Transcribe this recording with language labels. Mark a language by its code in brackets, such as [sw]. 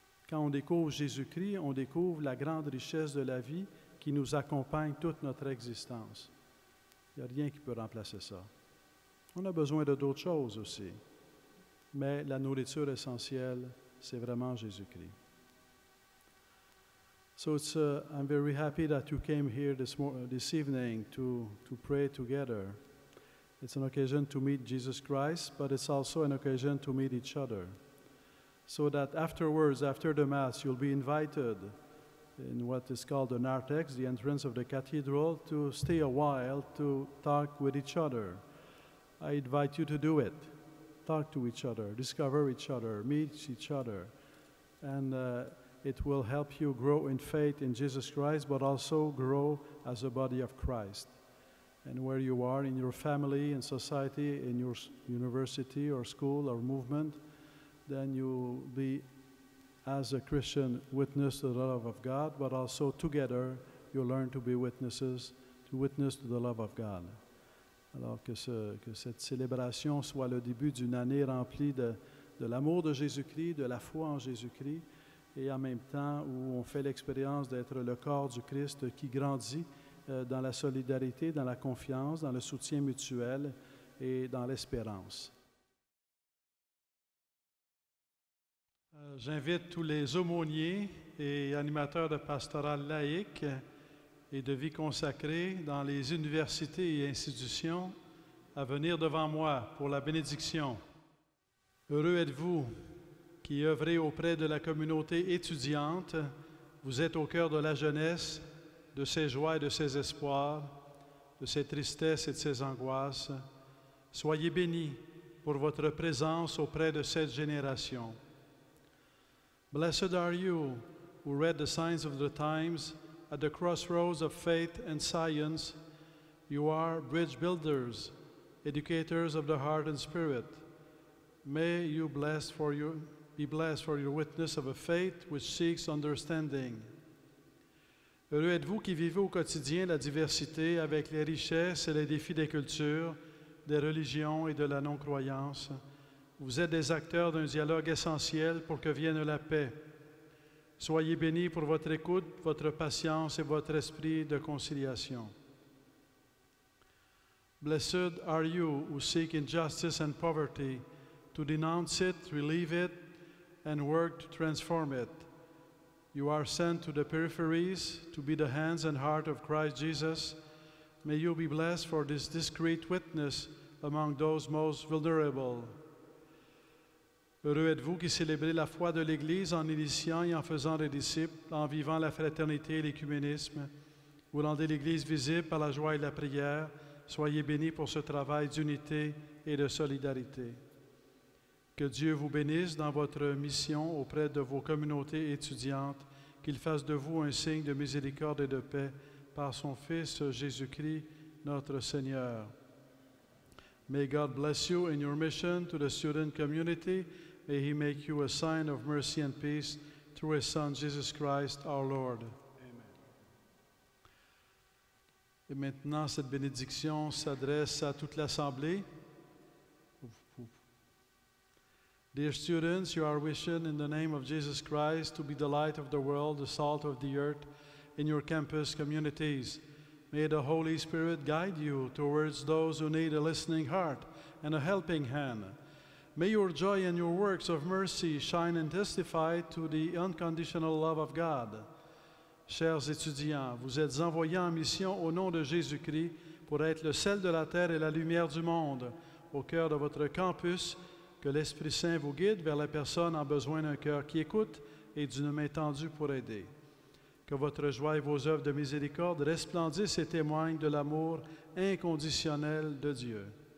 [fr] Quand on découvre Jésus-Christ, on découvre la grande richesse de la vie qui nous accompagne toute notre existence. Il n'y a rien qui peut remplacer ça. On a besoin de d'autres choses aussi. Mais la nourriture essentielle, c'est vraiment Jésus-Christ. [en] So I'm very happy that you came here this evening to pray together. It's an occasion to meet Jesus Christ, but it's also an occasion to meet each other. So that afterwards, after the Mass, you'll be invited in what is called the narthex, the entrance of the cathedral, to stay a while to talk with each other. I invite you to do it. Talk to each other, discover each other, meet each other, and it will help you grow in faith in Jesus Christ, but also grow as a body of Christ. And where you are, in your family, in society, in your university or school or movement, then you'll be, as a Christian, witness to the love of God, but also together you'll learn to be witnesses, to witness to the love of God. [fr] Alors que cette célébration soit le début d'une année remplie de l'amour de Jésus-Christ, de la foi en Jésus-Christ, et en même temps où on fait l'expérience d'être le corps du Christ qui grandit dans la solidarité, dans la confiance, dans le soutien mutuel et dans l'espérance. J'invite tous les aumôniers et animateurs de pastoral laïque et de vie consacrée dans les universités et institutions à venir devant moi pour la bénédiction. Heureux êtes-vous qui œuvrez auprès de la communauté étudiante, vous êtes au cœur de la jeunesse, de ses joies et de ses espoirs, de ses tristesses et de ses angoisses. Soyez bénis pour votre présence auprès de cette génération. [en] Blessed are you who read the signs of the times. At the crossroads of faith and science, you are bridge builders, educators of the heart and spirit. May you be blessed for your witness of a faith which seeks understanding. [fr] Heureux êtes-vous qui vivez au quotidien la diversité avec les richesses et les défis des cultures, des religions et de la non-croyance. Vous êtes des acteurs d'un dialogue essentiel pour que vienne la paix. Soyez bénis pour votre écoute, votre patience et votre esprit de conciliation. [en] Blessed are you who seek injustice and poverty, to denounce it, relieve it, and work to transform it. You are sent to the peripheries to be the hands and heart of Christ Jesus. May you be blessed for this discreet witness among those most vulnerable. [fr] Heureux êtes-vous qui célébrez la foi de l'Église en initiant et en faisant des disciples, en vivant la fraternité et l'écuménisme. Vous rendez l'Église visible par la joie et la prière. Soyez bénis pour ce travail d'unité et de solidarité. Que Dieu vous bénisse dans votre mission auprès de vos communautés étudiantes, qu'il fasse de vous un signe de miséricorde et de paix par son Fils Jésus-Christ, notre Seigneur. [en] May God bless you in your mission to the student community. May He make you a sign of mercy and peace through His Son, Jesus Christ, our Lord. Amen. [fr] Et maintenant, cette bénédiction s'adresse à toute l'Assemblée. [en] Dear students, you are wishing in the name of Jesus Christ to be the light of the world, the salt of the earth in your campus communities. May the Holy Spirit guide you towards those who need a listening heart and a helping hand. May your joy and your works of mercy shine and testify to the unconditional love of God. [fr] Chers étudiants, vous êtes envoyés en mission au nom de Jésus-Christ pour être le sel de la terre et la lumière du monde. Au cœur de votre campus, que l'Esprit-Saint vous guide vers la personne en besoin d'un cœur qui écoute et d'une main tendue pour aider. Que votre joie et vos œuvres de miséricorde resplendissent et témoignent de l'amour inconditionnel de Dieu.